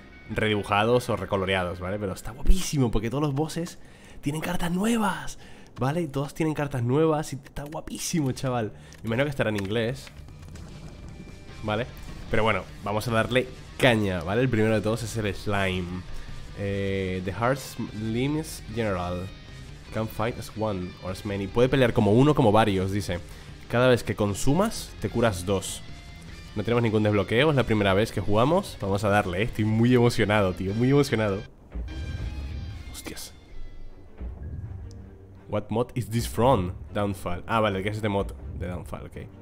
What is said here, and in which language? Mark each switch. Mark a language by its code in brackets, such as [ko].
[es] redibujados o recoloreados, ¿vale? Pero está guapísimo porque todos los bosses tienen cartas nuevas, ¿vale? Todos tienen cartas nuevas y está guapísimo, chaval. Me imagino que estará en inglés, ¿vale? Pero bueno, vamos a darle caña, ¿vale? El primero de todos es el slime. [en] The Heart's Limits General can fight as one or as many. [es] Puede pelear como uno o como varios, dice. Cada vez que consumas, te curas dos. No tenemos ningún desbloqueo, es la primera vez que jugamos. Vamos a darle, estoy muy emocionado, tío. Muy emocionado. Hostias. What mod is this from? Downfall. Ah, vale, ¿qué es este mod? De Downfall, ok.